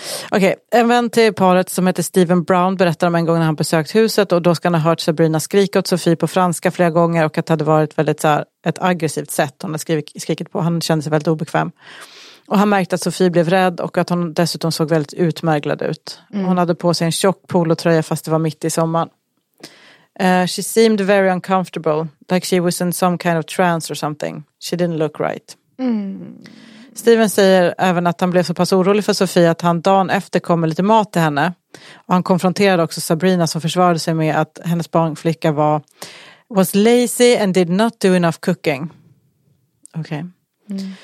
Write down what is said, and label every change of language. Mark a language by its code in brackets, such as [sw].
[sv] Okej, en vän till paret som heter Steven Brown berättar om en gång när han besökt huset, och då ska han ha hört Sabrina skrika åt Sofie på franska flera gånger, och att det hade varit väldigt så här, ett aggressivt sätt hon hade skrikit på. Han kände sig väldigt obekväm. Och han märkte att Sofie blev rädd och att hon dessutom såg väldigt utmärglad ut. Hon hade på sig en tjock polotröja fast det var mitt i sommaren. [en] She seemed very uncomfortable, like she was in some kind of trance or something. She didn't look right. [sv] Steven säger även att han blev så pass orolig för Sofie att han dagen efter kom med lite mat till henne. Och han konfronterade också Sabrina som försvarade sig med att hennes barnflicka [en] was lazy and did not do enough cooking. [sv] Okej. Okay.